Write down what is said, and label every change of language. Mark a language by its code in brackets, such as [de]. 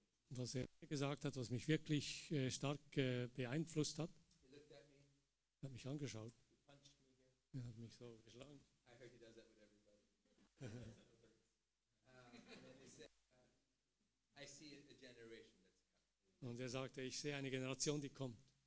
[de] Was er gesagt hat, was mich wirklich stark beeinflusst hat, er hat mich angeschaut. Er hat mich so geschlagen. [en] I heard he does that with everybody. And then he said, I see a generation that's coming. [de] Und er sagte, ich sehe eine Generation, die kommt.